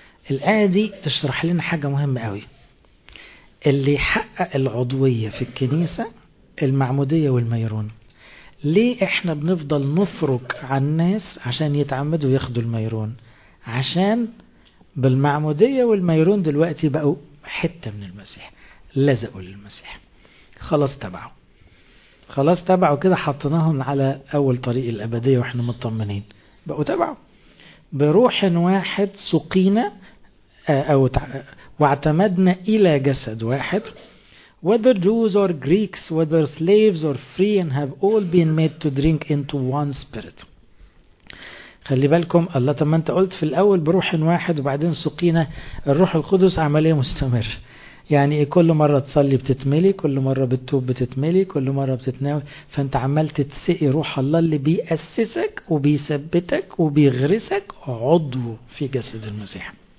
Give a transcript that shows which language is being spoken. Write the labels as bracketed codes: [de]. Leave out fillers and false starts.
[ar] الآية دي تشرح لنا حاجة مهمة قوي. اللي يحقق العضوية في الكنيسة المعمودية والميرون، ليه احنا بنفضل نفرك عن الناس عشان يتعمدوا ياخدوا الميرون؟ عشان بالمعمودية والميرون دلوقتي بقوا حتة من المسيح، لزقوا للمسيح، خلاص تبعوا، خلاص تبعوا كده، حطناهم على أول طريق الأبدية واحنا مطمنين، بقوا تبعوا. بروح واحد سقينا أو واعتمدنا إلى جسد واحد، [en] Whether Jews or Greeks, whether slaves or free, and have all been made to drink into one spirit. [ar] خلي بالكم الله طبعا انت قلت في الأول بروح واحد وبعدين سقينا الروح القدس عملية مستمر يعني كل مرة تصلي بتتملي كل مرة بتتوب بتتملي كل مرة بتتناوي فانت عمال تتسقي روح الله اللي بيأسسك وبيثبتك وبيغرسك عضو في جسد المسيح